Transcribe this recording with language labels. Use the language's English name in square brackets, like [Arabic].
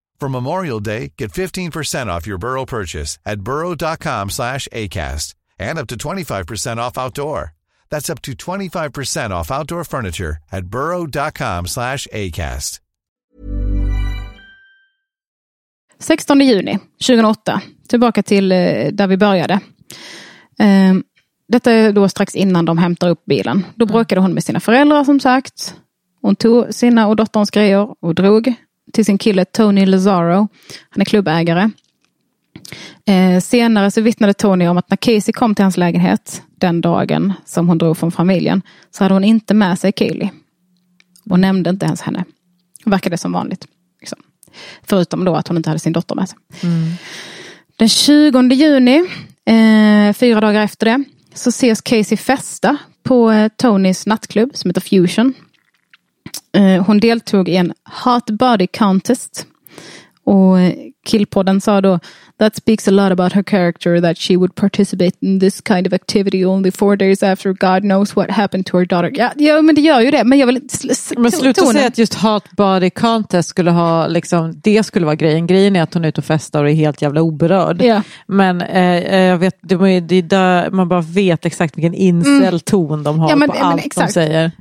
[English] For Memorial Day, get 15% off your Burrow purchase at Burrow.com/ACAST, and up to 25% off outdoor. That's up to 25% off outdoor furniture at burrow.com/acast. [Swedish] 16 juni 2008. Tillbaka till där vi började. Detta är då strax innan de hämtar upp bilen. Då bråkade hon med sina föräldrar som sagt. Hon tog sina och dotterns grejer och drog till sin kille Tony Lazzaro. Han är klubbägare. Senare så vittnade Tony om att när Casey kom till hans lägenhet den dagen som hon drog från familjen så hade hon inte med sig Kaylee och nämnde inte ens henne. Verkade som vanligt. Liksom. Förutom då att hon inte hade sin dotter med sig. Mm. Den 20 juni, 4 dagar efter det, så ses Casey festa på Tonys nattklubb som heter Fusion. Hon deltog i en hot body contest och Killpodden sa då: [English] "That speaks a lot about her character that she would participate in this kind of activity only 4 days after God knows what happened to her daughter." [Swedish] Ja, ja, men det gör ju det. Men jag vill sluta säga att just [English] hot body contest [Swedish] skulle ha liksom, det skulle vara grejen. Grejen är att hon är ute och festar och är helt jävla oberörd. [English] Yeah. [Swedish] Men jag vet, det är där man bara vet exakt vilken incel-ton de har, ja, men, på, ja, allt exakt de säger.